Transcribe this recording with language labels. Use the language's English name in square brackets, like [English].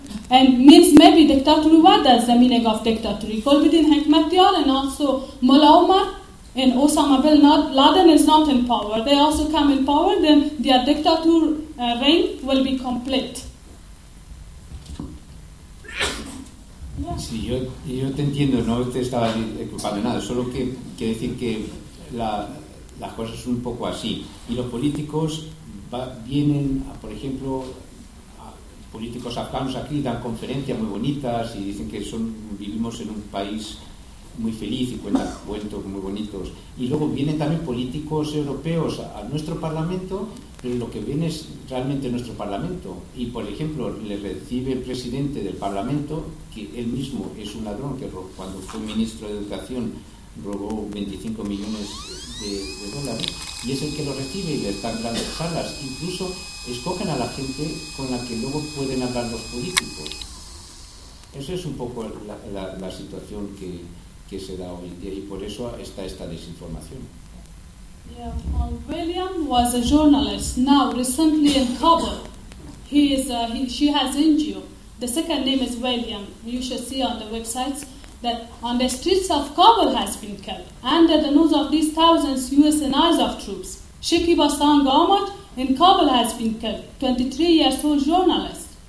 [English] And means maybe dictatory, what is the meaning of dictatory? Gulbuddin Hekmatyar and also Mullah Omar and Osama bin Laden is not in power. They also come in power, then their dictator reign will be complete. [Spanish] Sí, yo te entiendo, no te estaba preocupado de nada, solo que quiere decir que las cosas son un poco así. Y los políticos vienen, por ejemplo, políticos afganos aquí dan conferencias muy bonitas y dicen que vivimos en un país muy feliz y cuentan cuentos muy bonitos. Y luego vienen también políticos europeos a nuestro parlamento, pero lo que viene es realmente nuestro parlamento. Y, por ejemplo, le recibe el presidente del parlamento, que él mismo es un ladrón, que cuando fue ministro de Educación robó 25 millones de dólares, y es el que lo recibe y le están dando charlas. Incluso escogen a la gente con la que luego pueden hablar los políticos. Eso es un poco la situación que se da hoy día, y por eso está esta desinformación. [English] Yeah, well, William was a journalist. Now, recently in Kabul, she has NGO. The second name is William. You should see on the websites. that on the streets of Kabul has been killed under the nose of these thousands US and ISAF troops. Shikiba Sang Ahmad in Kabul has been killed, 23-year-old journalist.